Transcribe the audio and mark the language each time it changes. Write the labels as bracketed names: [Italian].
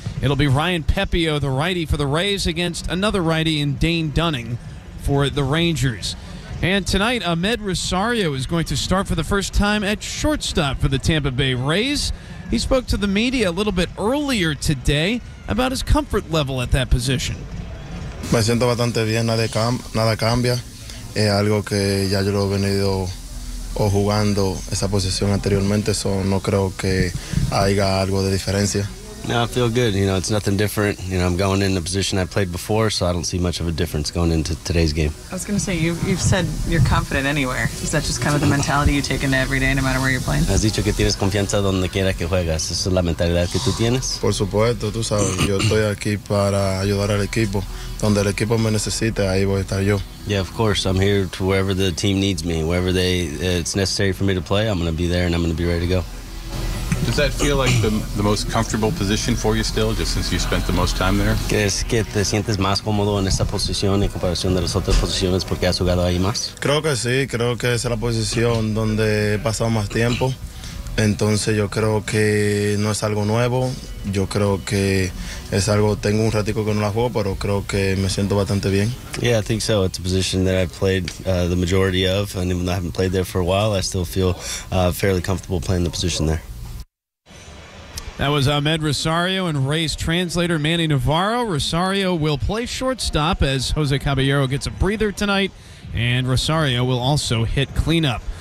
[English] It'll be Ryan Pepiot, the righty for the Rays, against another righty in Dane Dunning for the Rangers. And tonight, Amed Rosario is going to start for the first time at shortstop for the Tampa Bay Rays. He spoke to the media a little bit earlier today about his comfort level at that position. [Spanish] Me siento bastante bien, nada cambia. Es algo que ya yo lo he venido jugando esa posición anteriormente, so no creo que haya algo de diferencia. [English] No, I feel good. You know, it's nothing different. You know, I'm going in the position I played before, so I don't see much of a difference going into today's game. I was going to say, you've said you're confident anywhere. Is that just kind of the mentality you take into every day, no matter where you're playing? [Spanish] Has dicho que tienes confianza donde quiera que juegas. Esa es la mentalidad que tú tienes. Por supuesto, tú sabes, yo estoy aquí para ayudar al equipo. Donde el equipo me necesite, ahí voy a estar yo. [English] Yeah, of course. I'm here to wherever the team needs me. Wherever they, it's necessary for me to play, I'm going to be there and I'm going to be ready to go. Does that feel like the most comfortable position for you still, just since you spent the most time there? [Spanish] ¿Crees que te sientes más cómodo en esta posición en comparación de las otras posiciones porque has jugado ahí más? Creo que sí, creo que es la posición donde he pasado más tiempo. Entonces yo creo que no es algo nuevo. Yo creo que es algo, tengo un ratico que no la juego, pero creo que me siento bastante bien. [English] Yeah, I think so. It's a position that I've played the majority of, and even though I haven't played there for a while, I still feel fairly comfortable playing the position there. That was Amed Rosario and Rays translator Manny Navarro. Rosario will play shortstop as Jose Caballero gets a breather tonight, and Rosario will also hit cleanup.